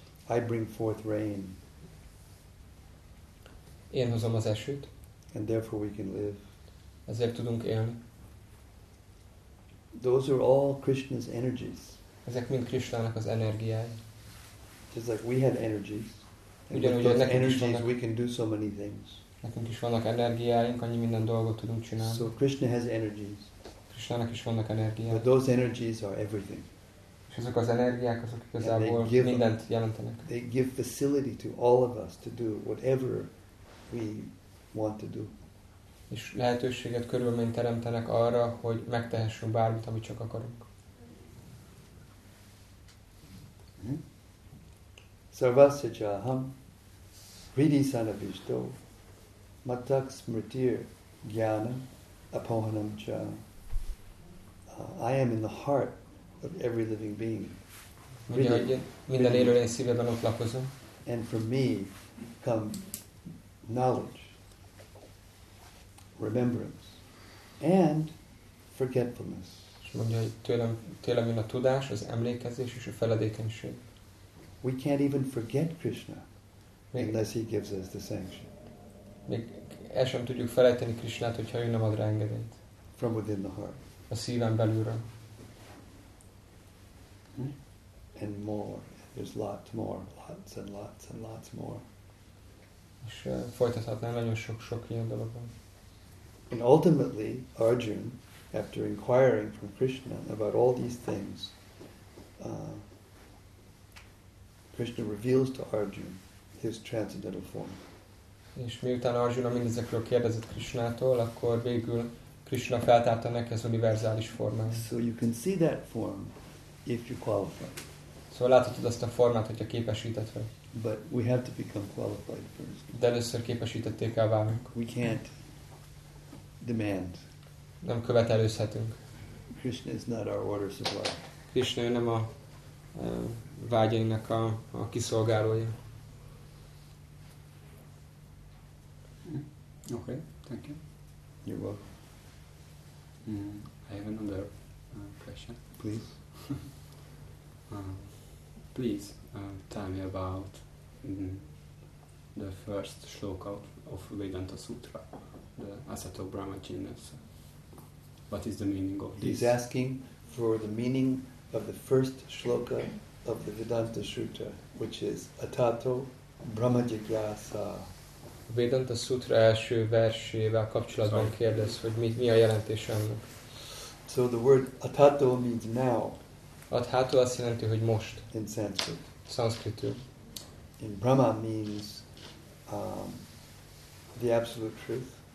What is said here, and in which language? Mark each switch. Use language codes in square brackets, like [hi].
[en] I bring forth rain. [hu] Én hozom az esőt. [en] And therefore we can live. [hu] Ezért tudunk élni. [en] Those are all Krishna's energies. [hu] Ezek mind Krisztának az energiái. [en] Just like we have energies. [hu] Ugyanúgy, [en] with those energies we can do so many things. [hu] Nekünk is vannak energiáink, annyi minden dolgot tudunk csinálni. [en] So Krishna has energies. [hu] Krisztának is vannak energiái. [en] But those energies are everything. [hu] És azok az energiák, azok igazából mindent jelentenek. [en] They give facility to all of us to do whatever we want to do. [hu] És lehetőséget körülményt teremtenek arra, hogy megtehessünk bármit, amit csak akarunk. [sa] Sarvasya cha aham vidhi sanavishto matak smritir jnana apohanam cha. [en] I am in the heart of every living being. [hu] Minden élő lény szívében ott lakozom. [en] And from me come knowledge, remembrance, and forgetfulness. [hu] Mondja, hogy tőlem jön a tudás, az emlékezés és a feledékenység. [en] We can't even forget Krishna unless he gives us the sanction. [hu] Még el sem tudjuk felejteni Krishnát, hogyha ő nem ad rá engedélyt. [en] From within the heart. [hu] A szívem belülről. [en] And more. There's lots more. Lots and lots and lots more. [hu] És folytathatnám nagyon sok-sok ilyen dologban. [en] And ultimately, Arjuna, after inquiring from Krishna about all these things, Krishna reveals to Arjuna his transcendental form. [hu] És miután Arjuna mindezekről kérdezett Krishnától, akkor végül Krishna feltárta neki az univerzális formát. [en] So you can see that form if you qualify. [hu] Szóval láthatod azt a formát, hogyha képesített vagy. [en] But we have to become qualified first. [hu] De először képesítették el válunk. [en] We can't demand. [hu] Nem követelőzhetünk. [en] Krishna is not our order supply. [hu] Krishna nem a vágyainknak a kiszolgálója. [en] Okay, thank you. You're welcome. I have another question. Please. Tell me about the first shloka of Vedanta Sutra, the Asato Brahma Genus. What is the meaning of this? He's asking for the meaning of the first shloka of the Vedanta Sutra, which is Atato Brahma Jigyasa. [hu] Vedanta Sutra első versével kapcsolatban kérdez, hogy mi a jelentés annak. [en] So the word Atato means now. [hu] Atato azt jelenti, hogy most. [en] In Sanskrit. [hu] Sanskritul. [en] In Brahma means the absolute truth.